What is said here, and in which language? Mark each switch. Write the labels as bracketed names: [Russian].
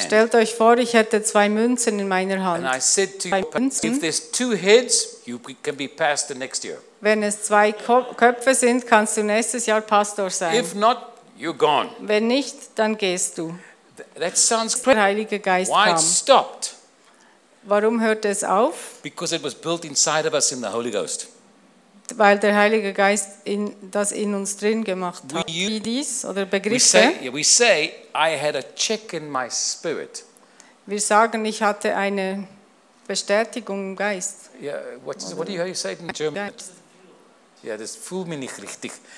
[German] Stellt euch vor, ich hätte 2 Münzen in meiner Hand. [English] And I said to you, if there's 2 heads, you can be pastor next year. [German] Wenn es 2 Köpfe sind, kannst du nächstes Jahr Pastor sein. [English] If not, you're gone. [German] Wenn nicht, dann gehst du. [English] That sounds [German] crazy. Der Heilige Geist [English] Why [German] kam. [English] It stopped? [German] Warum hört es auf? [English] Because it was built inside of us in the Holy Ghost. [German] Weil der Heilige Geist das in uns drin gemacht hat. Wie dies oder Begriffe? [English] We say I had a check in my spirit. [German] Wir sagen, ich hatte eine Bestätigung im Geist. [English] Yeah, what do you say in German? Geist. [German] Ja, das fühlt mich nicht richtig.